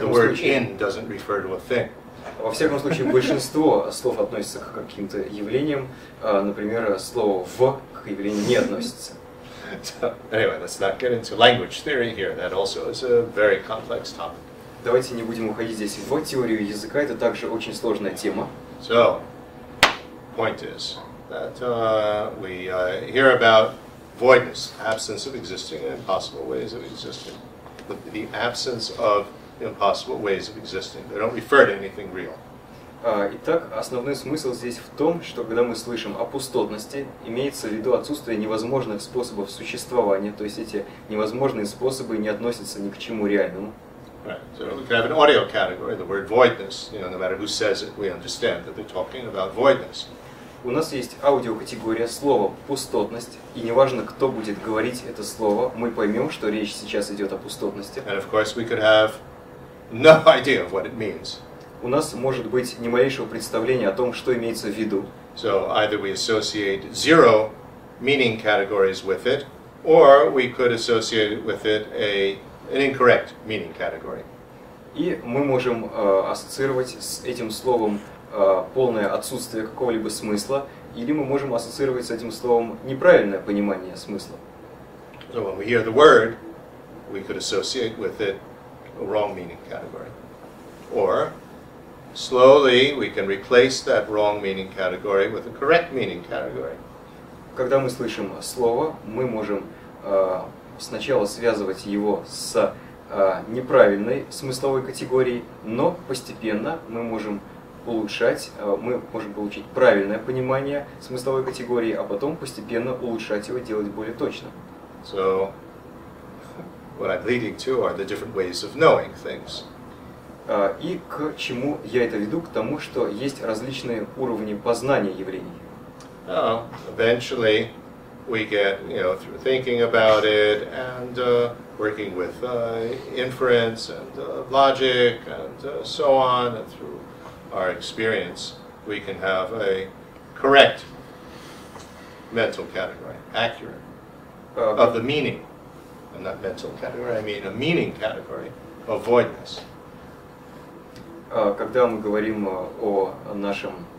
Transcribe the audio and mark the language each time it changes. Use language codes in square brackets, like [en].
[en] The word in doesn't refer to a thing. [ru] Во всяком случае, большинство слов относится к каким-то явлениям. Например, слово «в» к явлению не относится. [en] Anyway, let's not get into language theory here. That also is a very complex topic. [ru] Давайте не будем уходить здесь в теорию языка, это также очень сложная тема. [en] So, point is that we hear about voidness, absence of existing and impossible ways of existing. The absence of impossible ways of existing. They don't refer to anything real. [ru] Итак, основной смысл здесь в том, что когда мы слышим о пустотности, имеется в виду отсутствие невозможных способов существования, то есть эти невозможные способы не относятся ни к чему реальному. [en] Right. So we can have an audio category, the word voidness, you know, no matter who says it, we understand that they're talking about voidness. [ru] У нас есть аудиокатегория слова пустотность, и неважно, кто будет говорить это слово, мы поймем, что речь сейчас идет о пустотности. [en] And of course we could have no idea of what it means. [ru] У нас может быть ни малейшего представления о том, что имеется в виду. [en] So either we associate zero meaning categories with it, or we could associate with it an incorrect meaning category. [ru] И мы можем ассоциировать с этим словом полное отсутствие какого-либо смысла, или мы можем ассоциировать с этим словом неправильное понимание смысла. [en] So when we hear the word, we could associate with it a wrong meaning category. Or slowly we can replace that wrong meaning category with a correct meaning category. [ru] Когда мы слышим слово, мы можем сначала связывать его с неправильной смысловой категорией, но постепенно мы можем получить правильное понимание смысловой категории, а потом постепенно улучшать его, делать более точно. [en] So, what I'm leading to are the different ways of knowing things. [ru] И к чему я это веду? К тому, что есть различные уровни познания явлений. [en] Eventually we get, you know, through thinking about it and working with inference and logic and so on, and through our experience, we can have a correct mental category, accurate, of the meaning, and not mental category, I mean a meaning category of voidness. [ru] Когда мы говорим о нашем